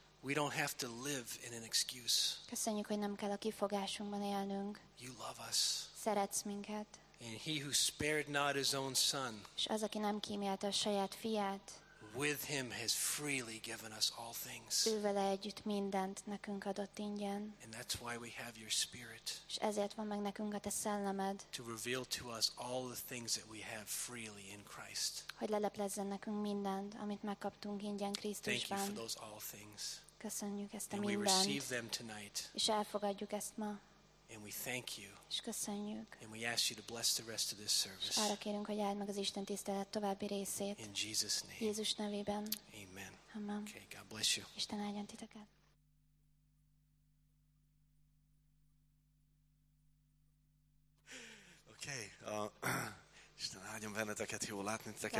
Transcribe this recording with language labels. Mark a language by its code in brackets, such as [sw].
[en] We don't have to live in an excuse. [hu] Köszönjük, hogy nem kell a kifogásunkban élnünk. [en] You love us. [hu] Szeretsz minket. [en] And he who spared not his own son. [hu] És az, aki nem kímélte a saját fiát. [en] With him has freely given us all things. [hu] Ő vele együtt mindent nekünk adott ingyen. [en] And that's why we have your spirit. [hu] És ezért van meg nekünk a te szellemed. [en] To reveal to us all the things that we have freely in Christ. [hu] Hogy leleplezzen nekünk mindent, amit megkaptunk ingyen Krisztusban. [en] Thank you for those all things. [hu] Köszönjük ezt a [en] and [hu] mindent. [en] We receive them tonight. [hu] És elfogadjuk ezt ma. [en] And we thank you. [hu] És köszönjük. [en] And we ask you to bless the rest of this service. [hu] Arra kérünk, hogy áld meg az Isten tisztelet további részét. [en] In Jesus name. [hu] Jézus nevében. [en] Amen. [hu] Amen. [en] Okay, God bless you. [hu] Isten áldjon titeket. [en] Okay. [hu] Isten áldjon benneteket, jó látni titeket.